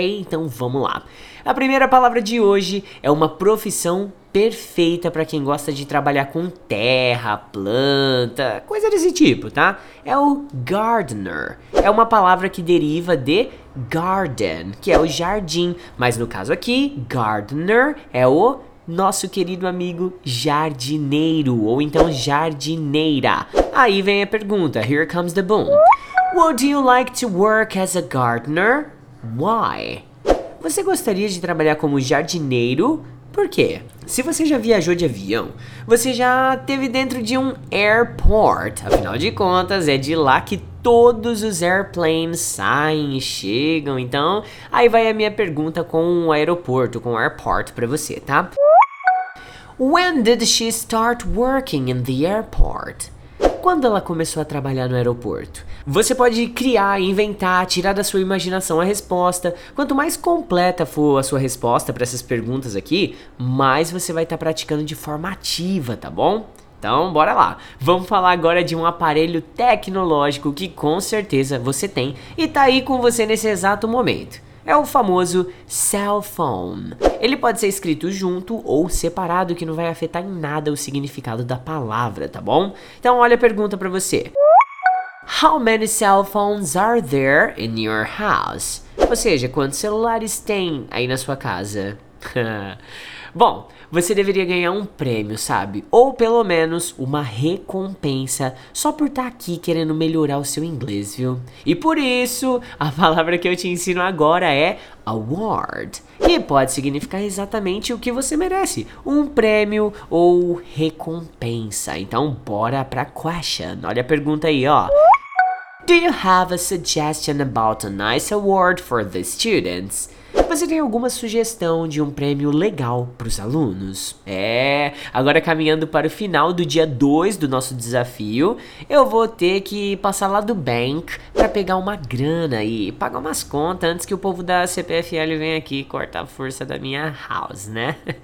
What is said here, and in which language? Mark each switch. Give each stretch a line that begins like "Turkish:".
Portuguese: Então vamos lá. A primeira palavra de hoje é uma profissão perfeita para quem gosta de trabalhar com terra, planta, coisa desse tipo, tá? É o gardener. É uma palavra que deriva de garden, que é o jardim. Mas no caso aqui, gardener é o nosso querido amigo jardineiro, ou então jardineira. Aí vem a pergunta,
English: here comes the boom. Would you like to work as a gardener? Why?
Portuguese: Você gostaria de trabalhar como jardineiro? Por quê? Se você já viajou de avião, você já esteve dentro de um airport. Afinal de contas, é de lá que todos os airplanes saem e chegam. Então, aí vai a minha pergunta com o aeroporto, com o airport pra você, tá?
English: When did she start working in the airport?
Portuguese: Quando ela começou a trabalhar no aeroporto? Você pode criar, inventar, tirar da sua imaginação a resposta. Quanto mais completa for a sua resposta para essas perguntas aqui, mais você vai estar praticando de forma ativa, tá bom? Então, bora lá. Vamos falar agora de um aparelho tecnológico que com certeza você tem e tá aí com você nesse exato momento. É o famoso cell phone. Ele pode ser escrito junto ou separado, que não vai afetar em nada o significado da palavra, tá bom? Então olha a pergunta pra você.
English: How many cell phones are there in your house?
Portuguese: Ou seja, quantos celulares tem aí na sua casa? Bom, você deveria ganhar um prêmio, sabe? Ou pelo menos uma recompensa só por estar aqui querendo melhorar o seu inglês, viu? E por isso, a palavra que eu te ensino agora é award. E pode significar exatamente o que você merece. Um prêmio ou recompensa. Então, bora pra question. Olha a pergunta aí, ó.
English: Do you have a suggestion about a nice award for the students?
Portuguese: Você tem alguma sugestão de um prêmio legal para os alunos? É, agora caminhando para o final do dia 2 do nosso desafio, eu vou ter que passar lá do bank para pegar uma grana e pagar umas contas antes que o povo da CPFL venha aqui cortar a força da minha house, né?